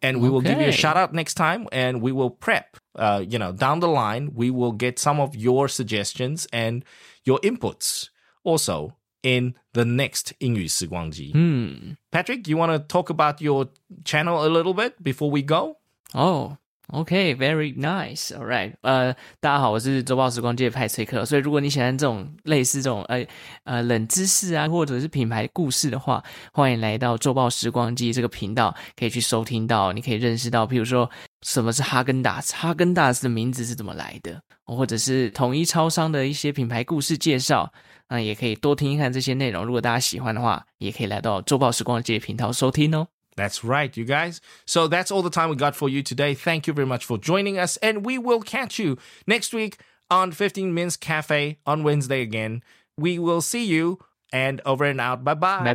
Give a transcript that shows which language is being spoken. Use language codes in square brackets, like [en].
[en] and we will give you a shout out next time, and we will prep, you know, down the line, we will get some of your suggestions and your inputs also in the next 英语时光机. Patrick, you want to talk about your channel a little bit before we go? Oh, okay, very nice. All right. [zh] 大家好,我是周报时光机的派崔克。所以如果你喜欢这种类似这种 冷知识啊, 或者是品牌故事的话, 欢迎来到周报时光机这个频道, 可以去收听到, 你可以认识到, 譬如说, 什么是哈根达斯, 哈根达斯的名字是怎么来的, 或者是统一超商的一些品牌故事介绍, 也可以多听一看这些内容,如果大家喜欢的话,也可以来到周报时光机的频道收听哦。 [en] That's right, you guys. So that's all the time we got for you today. Thank you very much for joining us, and we will catch you next week on 15Mins Cafe on Wednesday again. We will see you, and over and out. Bye-bye.